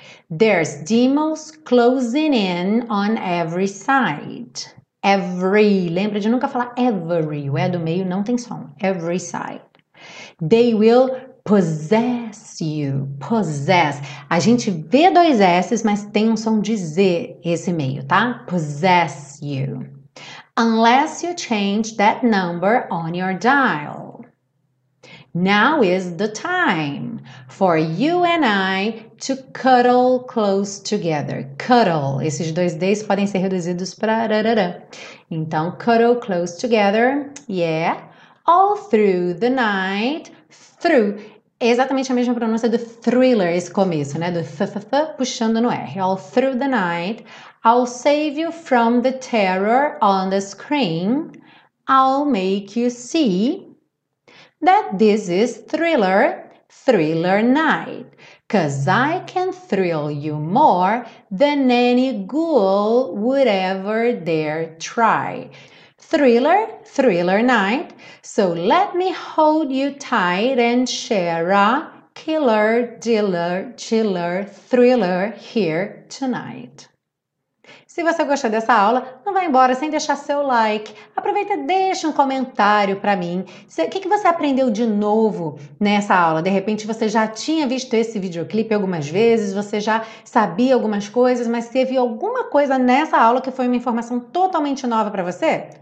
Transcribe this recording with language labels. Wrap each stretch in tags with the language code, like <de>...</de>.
<en>There's demons closing in on every side. Every,</en> <pt>lembra de nunca falar every, o E do meio não tem som,</pt> <en>every side. They will possess you, possess.</en> <pt>A gente vê dois S's, mas tem um som de Z esse meio, tá?</pt> <en>Possess you. Unless you change that number on your dial. Now is the time for you and I to cuddle close together. Cuddle.</en> <pt>Esses dois D's podem ser reduzidos para. Então,</pt> <en>cuddle close together. Yeah. All through the night. Through.</en> <pt>Exatamente a mesma pronúncia do thriller, esse começo, né? Do</pt> <en>th,</en> <pt>puxando no R.</pt> <en>All through the night. I'll save you from the terror on the screen. I'll make you see that this is thriller, thriller night. 'Cause I can thrill you more than any ghoul would ever dare try. Thriller, thriller night. So let me hold you tight and share a killer, dealer, chiller, thriller here tonight.</en> <pt>Se você gostou dessa aula, não vá embora sem deixar seu like. Aproveita e deixa um comentário para mim. O que você aprendeu de novo nessa aula? De repente você já tinha visto esse videoclipe algumas vezes, você já sabia algumas coisas, mas teve alguma coisa nessa aula que foi uma informação totalmente nova para você?</pt>